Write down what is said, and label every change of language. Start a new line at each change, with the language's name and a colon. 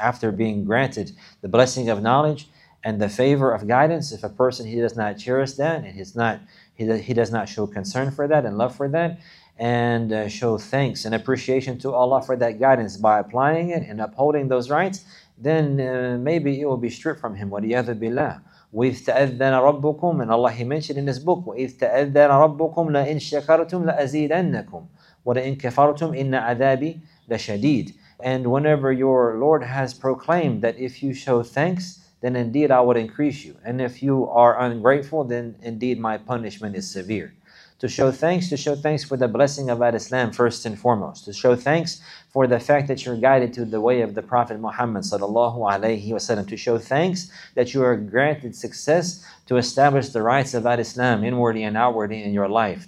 English: After being granted the blessing of knowledge and the favor of guidance, if a person, he does not cherish that, and he does not show concern for that and love for that, and show thanks and appreciation to Allah for that guidance by applying it and upholding those rights, then maybe it will be stripped from him.
Arabic: وَلِيَذِ بِاللَّهِ. وَإِذْ تَأَذَّنَ رَبُّكُمْ,
English: and Allah, he mentioned in his book,
Arabic: وَإِذْ تَأَذَّنَ رَبُّكُمْ لَإِنْ شَكَرْتُمْ لَأَزِيدَنَّكُمْ وَلَإِنْ كَفَرْتُمْ إِنَّ عَذَابِي لَشَدِيدٌ.
English: And whenever your Lord has proclaimed that if you show thanks, then indeed I would increase you. And if you are ungrateful, then indeed my punishment is severe. To show thanks for the blessing of Islam first and foremost. To show thanks for the fact that you're guided to the way of the Prophet Muhammad sallallahu alayhi wa sallam. To show thanks that you are granted success to establish the rights of Islam inwardly and outwardly in your life.